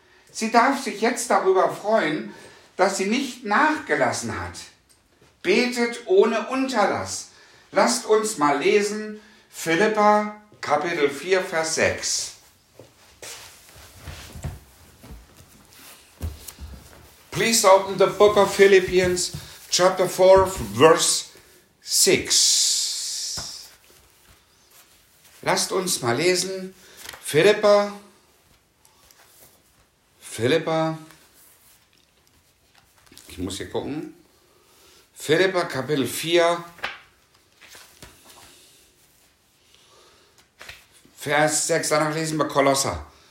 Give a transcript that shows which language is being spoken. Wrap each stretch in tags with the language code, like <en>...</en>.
<de>Sie darf sich jetzt darüber freuen, dass sie nicht nachgelassen hat. Betet ohne Unterlass. Lasst uns mal lesen Philipper Kapitel 4, Vers 6.</de> <en>Please open the book of Philippians, chapter 4, verse 6.</en> <de>Lasst uns mal lesen Philipper, ich muss hier gucken, Philipper Kapitel 4, Vers 6, danach lesen wir Kolosser.</de>